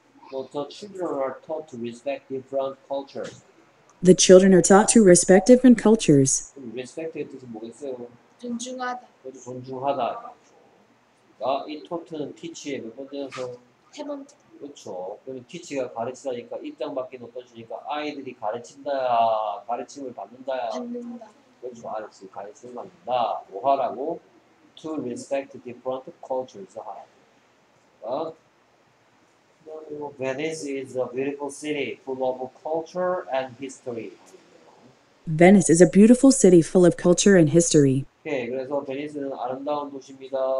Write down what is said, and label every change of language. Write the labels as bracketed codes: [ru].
[en] The children are taught to respect different cultures. The children are taught to respect different cultures. [ko] Respect 뜻은 뭐겠어요? 존중하다. 그래도 존중하다. 아, 이 토트는 티치의 몇 번째에서? 세 번째. 그렇죠. 그러면 티치가 가르치다니까 입장밖에도 떠주니까 아이들이 가르친다. 가르침을 받는다. 받는다. 그렇죠. 알았어. 가르침을 받는다. 뭐 하라고? [en] To respect different cultures. 어? Venice is a beautiful city full of culture and history. Venice is a beautiful city full of culture and history. [ko] Okay, 그래서 베니스는 아름다운 도시입니다.